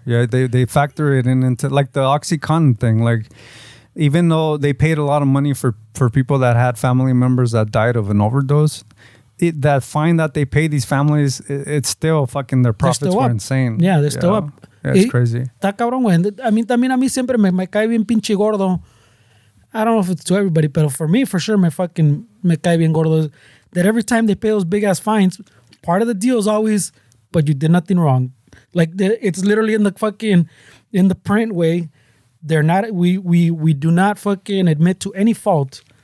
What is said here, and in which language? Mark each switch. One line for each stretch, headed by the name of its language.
English: Yeah. They factor it in into like the OxyContin thing. Like, even though they paid a lot of money for people that had family members that died of an overdose, that fine that they pay these families, it's still fucking, their profits were insane. Yeah, they're still up. Yeah, it's crazy.
Spanish: Está cabrón, güey. A mí siempre me cae bien pinche gordo.
English: I don't know if it's to everybody, but for me, for sure,
Spanish: me cae bien gordo,
English: that every time they pay those big ass fines, part of the deal is always, but you did nothing wrong. Like, it's literally in the fucking, in the print way, they're not, we do not fucking admit to any fault.